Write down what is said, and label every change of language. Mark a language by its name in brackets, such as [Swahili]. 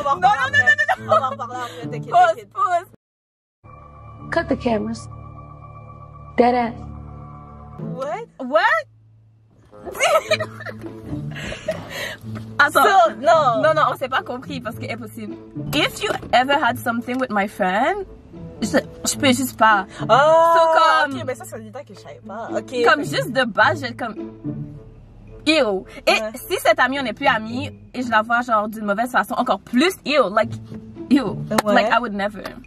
[French] On va en parler après. Pause. [English] Cut the cameras. Dead ass. What? [French] Attends. [English] So, [French] non, on s'est pas compris parce que impossible. [English] If you ever had something with my friend. [French] Je peux juste pas. Oh, so, comme, ok, mais ça, c'est un détail que je savais pas. Ok. Comme juste de base, j'ai comme. Ew. Et ouais. Si cette amie, on n'est plus amie, et je la vois genre d'une mauvaise façon, encore plus ew. [English] Like, ew. Ouais. Like, I would never.